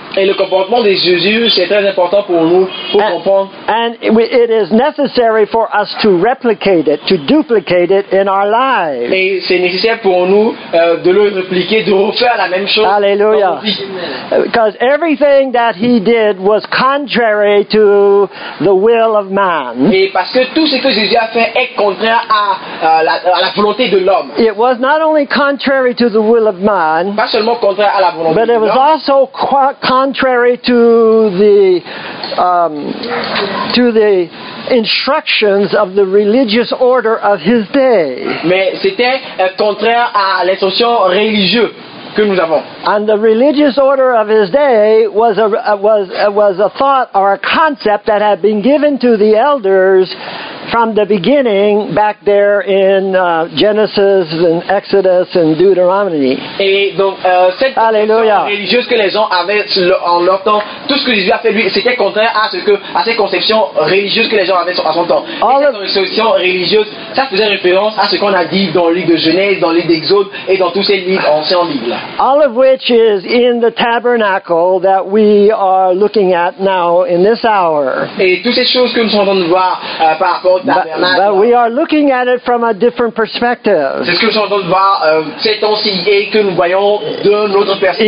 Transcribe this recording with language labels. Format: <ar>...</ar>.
<fr>Et le comportement de Jésus, c'est très important pour nous pour comprendre.</fr> <en>And it is necessary for us to replicate it, to duplicate it in our lives.</en> <fr>Et c'est nécessaire pour nous de le répliquer, de refaire la même chose.</fr> <en>Hallelujah. Because everything that he did was contrary to the will of man.</en> <fr>Et parce que tout ce que Jésus a fait est contraire à la volonté de l'homme.</fr> <en>It was not only contrary to the will of man,</en> <fr>pas seulement contraire à la volonté</fr> <en>but it was</en> <fr>de</fr> <en>also contrary to the instructions of the religious order of his day.</en> <fr>Mais c'était contraire à l'instruction religieuse. Que nous avons.</fr> <en>And the religious order of his day was a thought or a concept that had been given to the elders from the beginning back there in Genesis and Exodus and Deuteronomy.</en> <fr>Et donc cette Hallelujah. Religieuse que les gens avaient en leur temps, tout ce que Jésus a fait lui, c'était contraire à ces conceptions religieuses que les gens avaient à son temps.</fr> <en>All</en> <fr>cette conception religieuse, ça faisait référence à ce qu'on a dit dans le livre de Genèse, dans le livre d'Exode et dans tous ces livres anciens livres.</fr> <en>All of which is in the tabernacle that we are looking at now in this hour.</en> <fr>Et toutes ces choses que nous sommes en train de voir par rapport au tabernacle.</fr> <en>But we are looking at it from a different perspective.</en> <fr>C'est ce que nous sommes en train de voir ces temps-ci et que nous voyons d'une autre perspective.</fr>